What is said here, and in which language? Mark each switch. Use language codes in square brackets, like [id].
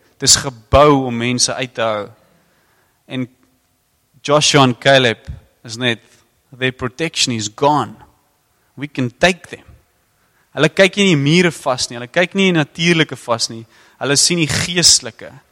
[af] Dit is gebou om mense uit te hou. En Joshua en Caleb is net, [en] their protection is gone. We can take them. [af] Hulle kyk nie die mure vas nie, hulle kyk nie die natuurlike vas nie, hulle sien die geestelike.